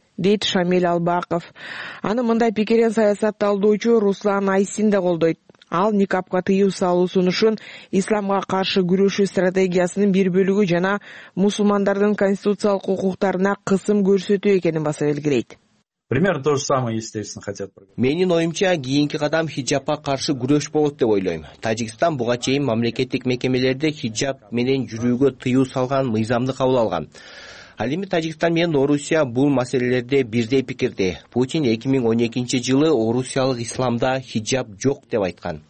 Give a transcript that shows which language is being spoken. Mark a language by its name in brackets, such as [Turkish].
[Kyrgyz] дейт Шамиль Албаков. Аны мындай пикирин саясатталдоочу Руслан Айсин да колдойт. Ал никапка тыюу салуу сунушун исламга каршы күрөшүү стратегиясынын бир бөлүгү жана мусулмандардын конституциялык укуктарына кысым көрсөтүү экенин баса белгилейт. [Russian] Примерно то же самое, естественно, хотят. [Kyrgyz] Менин оюмча кийинки кадам хиджабка каршы күрөш болот деп ойлойм. Тажикстан буга чейин мамлекеттик мекемелерде хиджаб менен жүрүүгө тыюу салган мыйзамды кабыл алган. Ал эми Тажикстан менен Орусия бул маселелерде бирдей пикирде. Путин 2012 жылы орусиялык исламда хиджаб жок деп айткан.